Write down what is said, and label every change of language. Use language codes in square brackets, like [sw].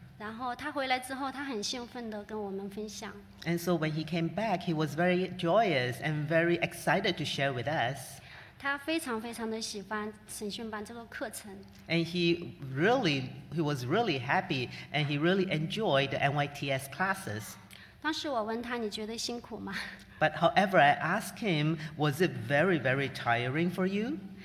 [zh] 然后他回来之后，他很兴奋地跟我们分享。 [en] And so when he came back, he was very joyous and very excited to share with us. [zh] 他非常非常地喜欢神训班这个课程。 [en] And he was really happy and he really enjoyed the NYTS classes. [zh] 当时我问他，你觉得辛苦吗？ [en] But however, I asked him, was it very, very tiring for you?